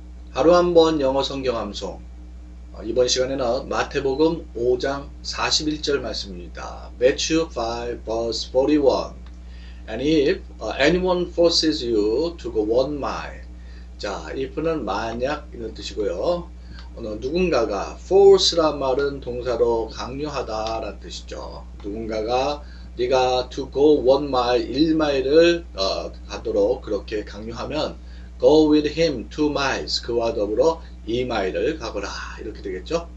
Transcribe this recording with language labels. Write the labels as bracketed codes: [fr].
[ko] 하루 한번 영어 성경 암송. 이번 시간에는 마태복음 5장 41절 말씀입니다. [en] Matthew 5 verse 41. And if anyone forces you to go 1 mile. [ko] 자, if는 만약 이런 뜻이고요. 누군가가 force란 말은 동사로 강요하다 라는 뜻이죠. 누군가가 네가 [en] to go 1 mile, [ko] 1마일을 가도록 그렇게 강요하면 [en] go with him 2 miles, [ko] 그와 더불어 2마일을 가거라, 이렇게 되겠죠.